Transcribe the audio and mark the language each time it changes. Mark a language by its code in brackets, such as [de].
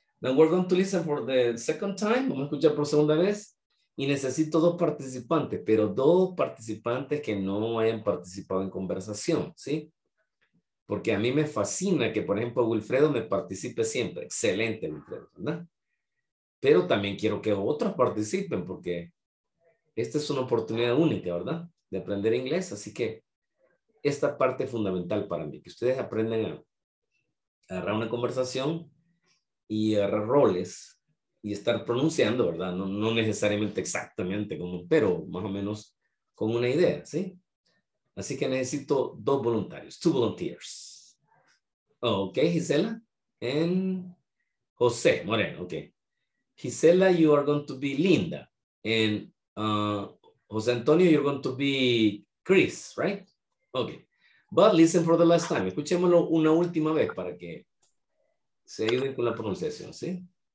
[en] Now we're going to listen for the second time. [es] Vamos a escuchar por segunda vez. Y necesito dos participantes, pero dos participantes que no hayan participado en conversación, ¿sí? Porque a mí me fascina que, por ejemplo, Wilfredo me participe siempre. Excelente, Wilfredo, ¿verdad? Pero también quiero que otros participen porque esta es una oportunidad única, ¿verdad? De aprender inglés. Así que esta parte es fundamental para mí, que ustedes aprendan a agarrar una conversación y agarrar roles y estar pronunciando, ¿verdad? No necesariamente exactamente como, pero más o menos con una idea, ¿sí? Así que necesito dos voluntarios, [en] two volunteers. Ok, Gisela. And José Moreno, ok. Gisela, you are going to be Linda. And José Antonio, you're going to be Chris, right? Ok. But listen for the last time. [es] Escuchémoslo una última vez para que se ayuden con la pronunciación, ¿sí?